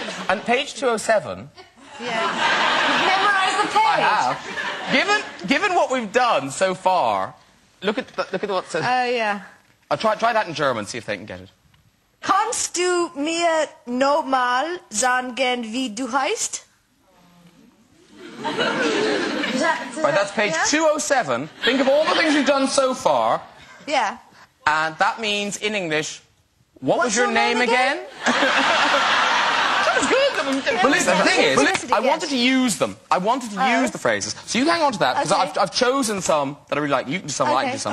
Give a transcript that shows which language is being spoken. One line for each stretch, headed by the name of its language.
English: And page 207. Yeah. You memorize the page. I have. Given what we've done so far, look at what says. Oh, yeah. I'll try that in German, see if they can get it.
German: Kannst du mir nochmal sagen, wie du heißt?
English: That's page 207. Think of all the things you've done so far. Yeah. And that means, in English, what was your name again? That's good. Well, listen, the thing is, I wanted to use them. I wanted to use the phrases. So you hang on to that, because I've chosen some that I really like. You can do some, I can do some.